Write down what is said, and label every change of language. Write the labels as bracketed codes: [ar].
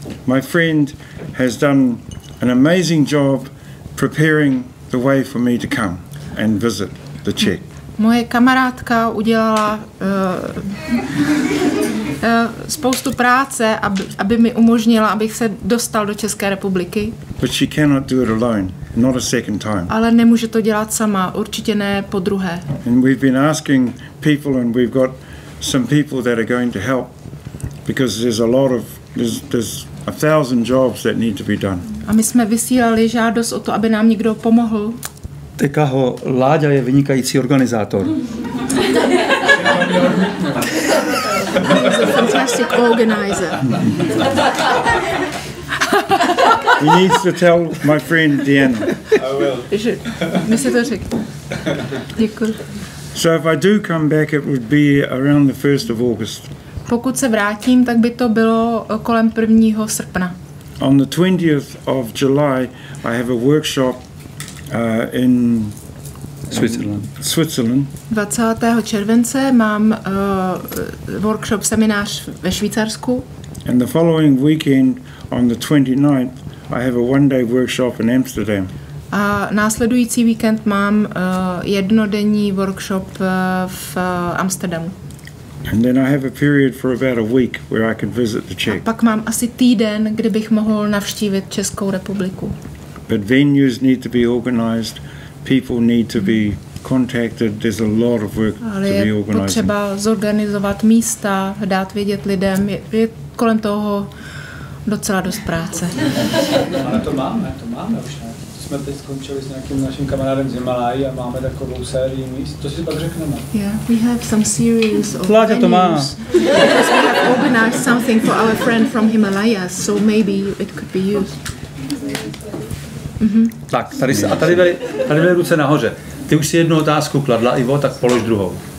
[en] My friend has done an amazing job preparing the way for me to come and visit the Czech. [cs] Moje kamarádka udělala spoustu práce, aby mi umožnila, abych se dostal do České republiky. [en] But she cannot do it alone, not a second time. [cs] Ale nemůže to dělat sama, určitě ne po druhé. [en] And we've been asking people and we've got some people that are going to help because there's a lot of there's a thousand jobs that need to be done. [cs] A my jsme vysílali žádost o to, aby nám někdo pomohl. Tekaho, Láďa je vynikající organizátor. [en] He's a fantastic organizer. He needs to tell my friend Deanna. I will. [cs] Mi se to řekl. Děkuji. [en] So if I do come back, it would be around the 1st of August. [cs] Pokud se vrátím, tak by to bylo kolem 1. srpna. [en] On the 20th of July, I have a workshop in Switzerland. [cs] 20. července mám workshop seminář ve Švýcarsku. [en] And the following weekend, on the 29th, I have a one-day workshop in Amsterdam. [cs] A následující víkend mám jednodenní workshop v Amsterdamu. [en] And then I have a period for about a week where I can visit the Czech. [cs] A pak mám asi týden, kde bych mohl navštívit Českou republiku. [en] But venues need to be organized. People need to be contacted. There's a lot of work to be organized. [cs] Ale je potřeba zorganizovat místa, dát vědět lidem. Je kolem toho docela dost práce. Ale to máme už. Jsme teď skončili s nějakým naším kamarádem z Himalají a máme takovou sérii míst. To si pak řekneme. [en] Yeah, we have some series of Láďa venues. [cs] To má. [en] Because we have organized something for our friend from Himalayas, so maybe it could be used. [cs] Mm-hmm. Tak, tady byly ruce nahoře. Ty už si jednu otázku kladla, Ivo, tak polož druhou.